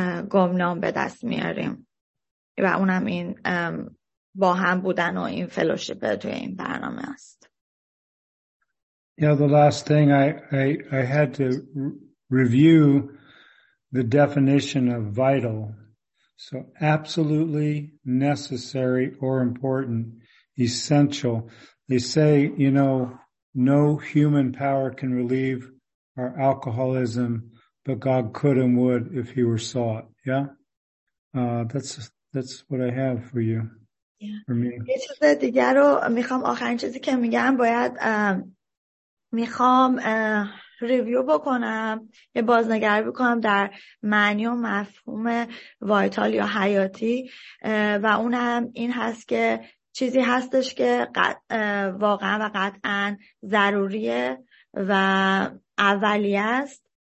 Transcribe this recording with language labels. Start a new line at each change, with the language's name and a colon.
Persian: گمنام به دست میاریم و اونم این با هم بودن و این فلوشیپ توی این برنامه هست.
English: Yeah, the last thing I had to review the definition of vital. So absolutely necessary or important, essential. They say, you know, no human power can relieve our alcoholism, but God could and would if he were sought. Yeah? That's what I have for you. Yeah. For me.
Persian: یه چیز دیگر رو میخوام، آخرین چیزی که میگم باید میخوام ریویو بکنم، یه بازنگری بکنم در معنی و مفهوم وایتال یا حیاتی و اونم این هست که چیزی هستش که واقعا و قطعا ضروریه و اولی است.